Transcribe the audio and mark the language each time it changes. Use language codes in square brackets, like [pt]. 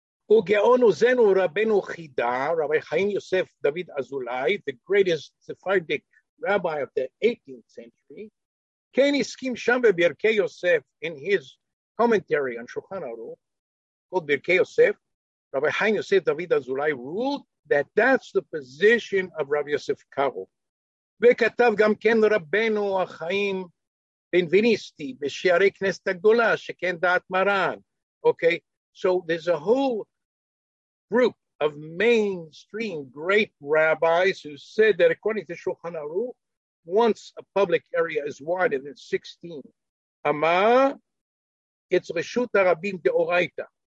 [he] Ugeonu zenu Rabbeinu Chida, [en] Rabbi Chaim Yosef David Azulai, the greatest Sephardic rabbi of the 18th century, [he] ken iskim sham beBirkei Yosef, [en] in his commentary on Shulchan Aruch, called Birkei Yosef, Rabbi Chaim Yosef David Azulai ruled that that's the position of Rav Yosef Karo. [he] וכתב גם כן רבנו החיים בנביניסטי בשערי כנסת הגדולה שכן דעת מרן. [en] Okay, so there's a whole group of mainstream great rabbis who said that according to Shulchan Aruch, once a public area is wider than 16 amma, it's Reshut HaRabim deOraita.